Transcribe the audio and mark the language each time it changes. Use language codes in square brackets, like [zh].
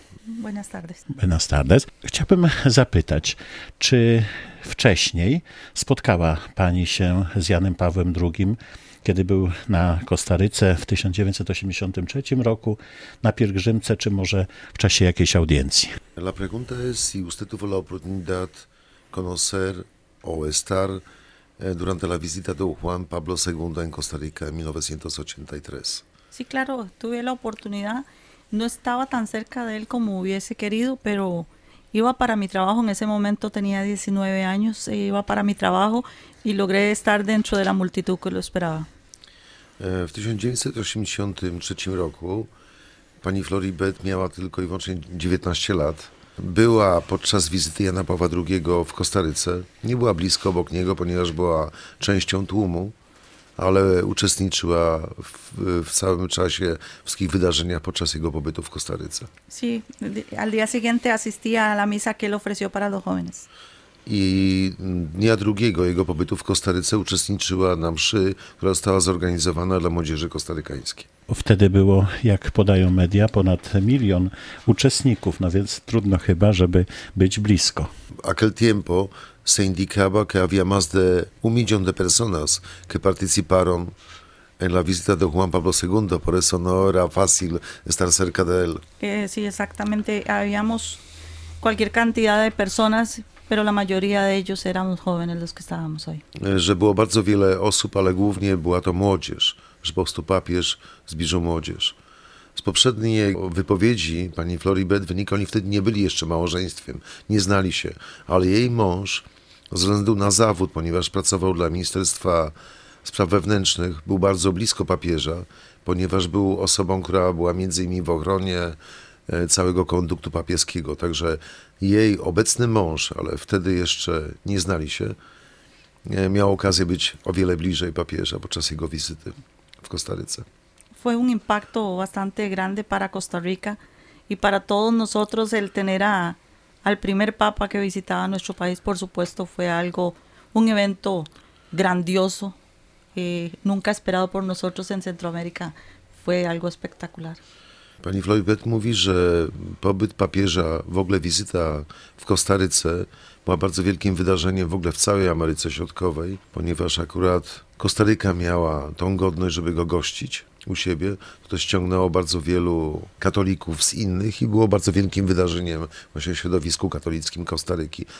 [es] Buenas tardes. Buenas tardes. [pl] Chciałbym zapytać, czy wcześniej spotkała pani się z Janem Pawłem II, kiedy był na Kostaryce w 1983 roku, na pielgrzymce, czy może w czasie jakiejś audiencji? [es] La pregunta es si usted tuvo la oportunidad conocer o estar durante la visita de Juan Pablo II en Costa Rica en 1983. Sí, claro, tuve la oportunidad. No estaba tan cerca de él como hubiese querido, pero iba para mi trabajo. En ese momento tenía 19 años, iba para mi trabajo y logré estar dentro de la multitud que lo esperaba. [pl] W 1983 roku pani Floribeth miała tylko i wyłącznie 19 lat. Była podczas wizyty Jana Pawła II w Kostaryce. Nie była blisko obok niego, ponieważ była częścią tłumu, ale uczestniczyła w całym czasie wszystkich wydarzeniach podczas jego pobytu w Kostaryce. [es] Sí, al día siguiente asistía a la misa que él ofreció para los jóvenes. [pl] I dnia drugiego jego pobytu w Kostaryce uczestniczyła na mszy, która została zorganizowana dla młodzieży kostarykańskiej. Wtedy było, jak podają media, ponad milion uczestników, no więc trudno chyba, żeby być blisko. [es] Aquel tiempo se indicaba que había más de un millón de personas que participaron en la visita de Juan Pablo II, por eso no era fácil estar cerca de él. Sí, exactamente. Habíamos cualquier cantidad de personas, pero la mayoría de ellos éramos jóvenes los que estábamos ahí. [pl] Że było bardzo wiele osób, ale głównie była to młodzież, że po prostu papież zbliżył młodzież. Z poprzedniej wypowiedzi pani Floribeth wynika, oni wtedy nie byli jeszcze małżeństwem, nie znali się, ale jej mąż, ze względu na zawód, ponieważ pracował dla Ministerstwa Spraw Wewnętrznych, był bardzo blisko papieża, ponieważ był osobą, która była między innymi w ochronie całego konduktu papieskiego. Także jej obecny mąż, ale wtedy jeszcze nie znali się, miał okazję być o wiele bliżej papieża podczas jego wizyty w Kostaryce. [es] Fue un impacto bastante grande para Costa Rica y para todos nosotros el tener al primer papa que visitaba nuestro país, por supuesto, fue algo, un evento grandioso, nunca esperado por nosotros en Centroamérica, fue algo espectacular. [pl] Pani Floribeth mówi, że pobyt papieża, w ogóle wizyta w Kostaryce była bardzo wielkim wydarzeniem w ogóle w całej Ameryce Środkowej, ponieważ akurat Kostaryka miała tą godność, żeby go gościć u siebie. To ściągnęło bardzo wielu katolików z innych i było bardzo wielkim wydarzeniem właśnie w środowisku katolickim Kostaryki.